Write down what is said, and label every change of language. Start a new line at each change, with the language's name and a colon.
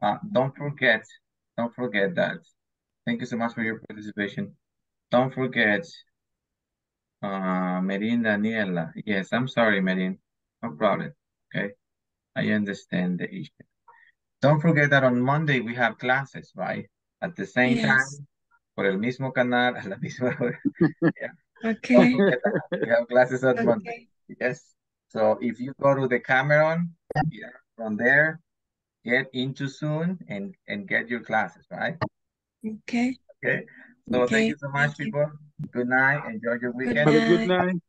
English: Don't forget that. Thank you so much for your participation. Don't forget, Merin Daniela. Yes, I'm sorry, Merin. No problem, okay? I understand the issue. Don't forget that on Monday we have classes, right? At the same time.
Spanish: Por el mismo canal, a la misma hora.
English: Yeah. Okay. We have classes at Monday. Yes. So if you go to the Cameron, yeah, from there, get into Zoom and get your classes, right? Okay. So okay. Thank you so much, people. Good night. Enjoy your weekend. Have a good night.